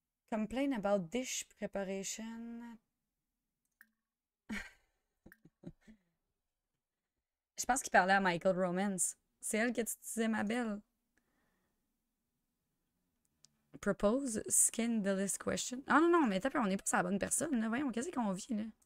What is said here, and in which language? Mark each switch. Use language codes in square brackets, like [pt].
[en] Complain about dish preparation. [fr] Je pense qu'il parlait à Michael Romance. C'est elle que tu disais, ma belle. [en] Propose scandalous question. [fr] Ah non, non, mais t'as peur, on n'est pas sur la bonne personne. Là. Voyons, qu'est-ce qu'on vit, là?